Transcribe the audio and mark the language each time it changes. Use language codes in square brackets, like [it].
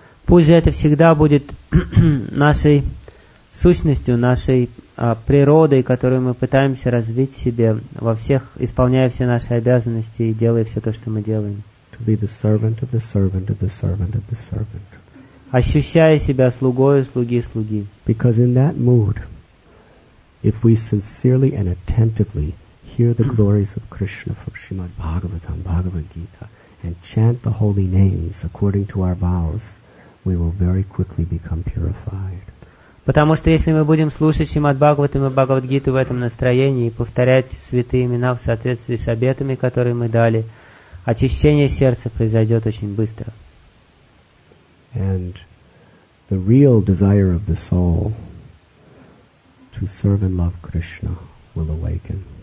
[ru] Пусть же это всегда будет нашей сущностью, нашей природой, которую мы пытаемся развить в себе, во всех, исполняя все наши обязанности и делая все то, что мы делаем. [en] To be the servant of the servant of the servant of the servant. [ru] Ощущая себя слугою слуги слуги. [en] Because in that mood, if we sincerely and attentively hear the glories of Krishna from Srimad Bhagavatam, Bhagavad Gita, and chant the holy names according to our vows, we will very quickly become purified. [ru] Потому что если мы будем слушать Шримад Бхагаватам и Бхагавад Гиту в этом настроении и повторять святые имена в соответствии с обетами, которые мы дали, очищение сердца произойдет очень быстро. [en] And the real desire of the soul to serve and love Krishna will awaken.